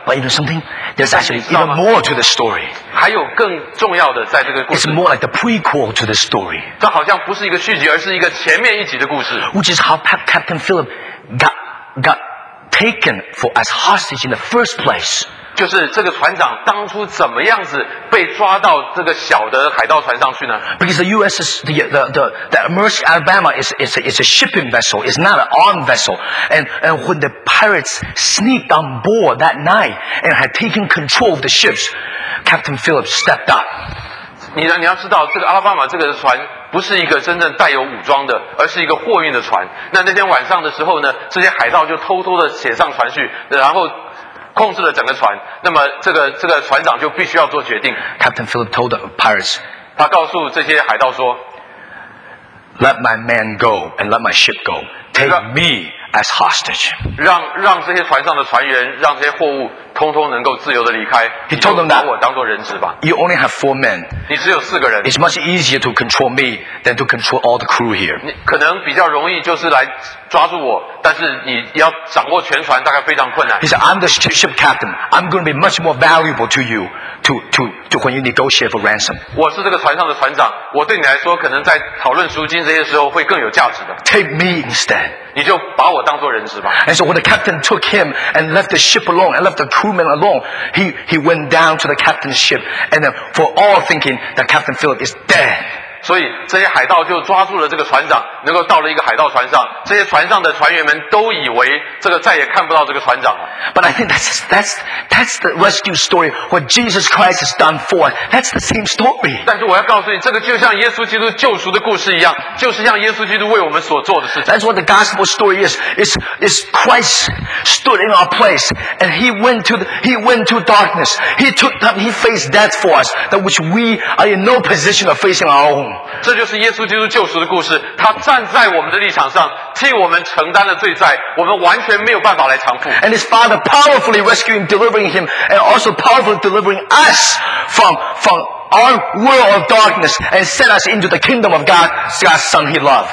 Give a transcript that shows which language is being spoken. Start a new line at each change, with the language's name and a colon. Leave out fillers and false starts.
English: But you know something? There's actually even more to the story.
Chinese: 还有更重要的在这个故事。
English: It's more like the prequel to the story.
Chinese: 这好像不是一个续集，而是一个前面一集的故事。
English: Which is how Captain Phillip got taken for as hostage in the first place.
Chinese: 就是这个船长当初怎么样子被抓到这个小的海盗船上去呢？
English: Because the U.S. is the Mercy Alabama is a shipping vessel, it's not an armed vessel. And when the pirates sneaked on board that night and had taken control of the ships, Captain Phillips stepped up.
Chinese: 你要知道，这个阿拉巴马这个船不是一个真正带有武装的，而是一个货运的船。那天晚上的时候呢，这些海盗就偷偷的潜上船去，然后控制了整个船，那么这个船长就必须要做决定。
English: Captain Phillip told the pirates,
Chinese: 他告诉这些海盗说，
English: Let my man go and let my ship go. Take me as hostage.
Chinese: 让这些船上的船员，让这些货物通通能够自由的离开。
English: He told them that,
Chinese: 把我当作人质吧。
English: You only have four men.
Chinese: 你只有四个人。
English: It's much easier to control me than to control all the crew here.
Chinese: 你可能比较容易就是来抓住我，但是你要掌握全船大概非常困难。
English: He said, I'm the ship captain. I'm going to be much more valuable to you to when you negotiate for ransom.
Chinese: 我是这个船上的船长，我对你来说可能在讨论赎金这些时候会更有价值的。
English: Take me instead.
Chinese: 你就把我当作人质吧。
English: And so when the captain took him and left the ship alone and left the crewman alone, he went down to the captain's ship, and then for all thinking that Captain Phillip is dead.
Chinese: 所以这些海盗就抓住了这个船长，能够到了一个海盗船上，这些船上的船员们都以为这个再也看不到这个船长了。
English: But I think that's the rescue story what Jesus Christ has done for us. That's the same story.
Chinese: 但是我要告诉你，这个就像耶稣基督救赎的故事一样，就是像耶稣基督为我们所做的事情。
English: That's what the gospel story is. It's Christ stood in our place, and he went to darkness. He faced death for us, that which we are in no position of facing our own.
Chinese: 这就是耶稣基督救赎的故事，他站在我们的立场上，替我们承担了罪债，我们完全没有办法来偿付。
English: And his Father powerfully rescuing, delivering him, and also powerfully delivering us from our world of darkness and set us into the kingdom of God's Son he loved.